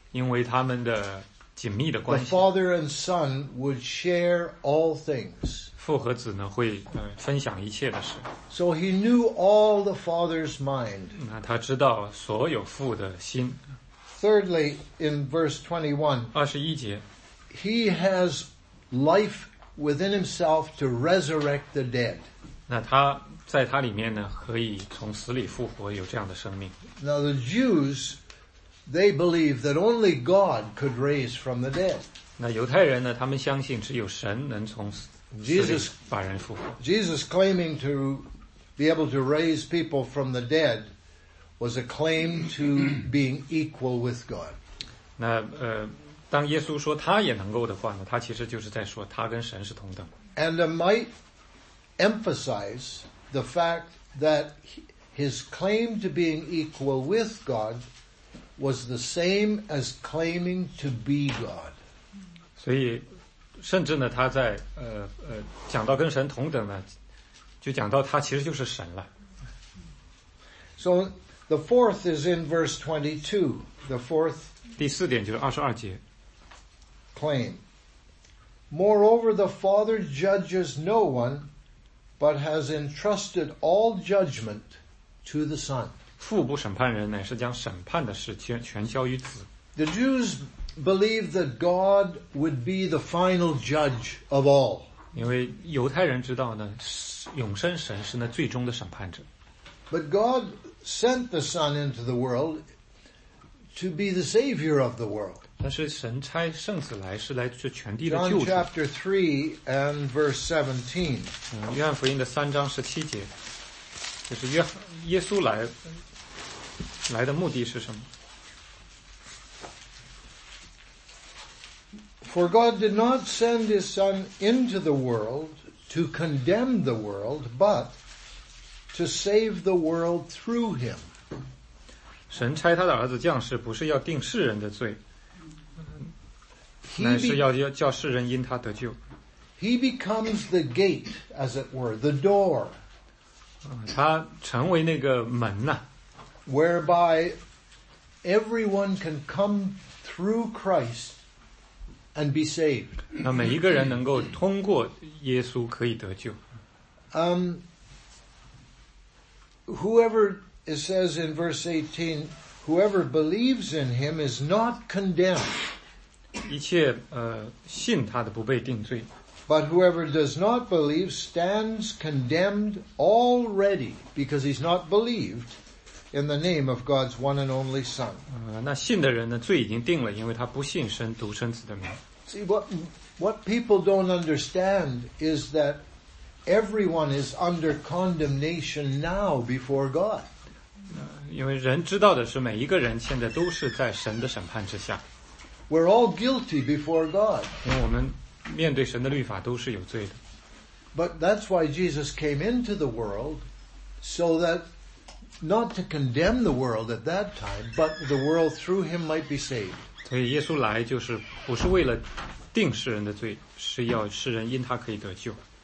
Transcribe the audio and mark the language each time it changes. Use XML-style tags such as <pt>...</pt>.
<zh>因为他们的紧密的关系。</zh> <en>The Father and Son would share all things.</en> <zh>父和子呢会分享一切的事。</zh> <en>So he knew all the Father's mind.</en> <zh>那他知道所有父的心。</zh> <en>Thirdly, in verse 21.</en> <zh>二十一节。</zh> <en>He has life within himself to resurrect the dead.</en> <zh>那他在他里面呢，可以从死里复活，有这样的生命。</zh> <en>Now the Jews, they believe that only God could raise from the dead.</en> <zh>那犹太人呢，他们相信只有神能从死里把人复活。</zh> <en>Jesus claiming to be able to raise people from the dead was a claim to being equal with God.</en> <zh>那当耶稣说他也能够的话呢，他其实就是在说他跟神是同等。</zh> <en>And I might emphasize the fact that his claim to being equal with God was the same as claiming to be God.</en> <zh>所以甚至呢他在讲到跟神同等呢，就讲到他其实就是神了。</zh> <en>So the fourth is in verse 22. The fourth.</en> <zh>第四点就是二十二节。</zh> <en>Claim. Moreover, the Father judges no one, but has entrusted all judgment to the Son.</en> <zh>父不审判人，乃是将审判的事全交于子。</zh> <en>The Jews believed that God would be the final judge of all.</en> <zh>因为犹太人知道呢，永生神是那最终的审判者。</zh> <en>But God sent the Son into the world to be the Savior of the world.</en> <zh>但是神差圣子来是来这全地的救主。</zh> <en>John chapter 3 and verse 17.</en> <zh>约翰福音的三章十七节，就是耶稣来的目的是什么？</zh> <en>For God did not send his Son into the world to condemn the world, but to save the world through him.</en> <zh>神差他的儿子降世，不是要定世人的罪。乃是要叫世人因他得救。</zh> <en>He becomes the gate, as it were, the door.</en> <zh>他成为那个门呐。</zh> <en>Whereby everyone can come through Christ and be saved.</en> <zh>那每一个人能够通过耶稣可以得救。</zh> <en>Whoever, it says in verse 18, whoever believes in him is not condemned.</en> <zh>一切信他的不被定罪。</zh> <en>But whoever does not believe stands condemned already because he's not believed in the name of God's one and only Son.</en> <zh>那信的人呢，罪已经定了，因为他不信神独生子的名。</zh> <en>See, what people don't understand is that everyone is under condemnation now before God.</en> <zh>因为人知道的是每一个人现在都是在神的审判之下。</zh> <en>We're all guilty before God.</en> <zh>因为我们面对神的律法都是有罪的。</zh> <en>But that's why Jesus came into the world, so that not to condemn the world at that time, but the world through him might be saved.</en> <zh>所以耶稣来就是不是为了定世人的罪，是要世人因他可以得救。</zh>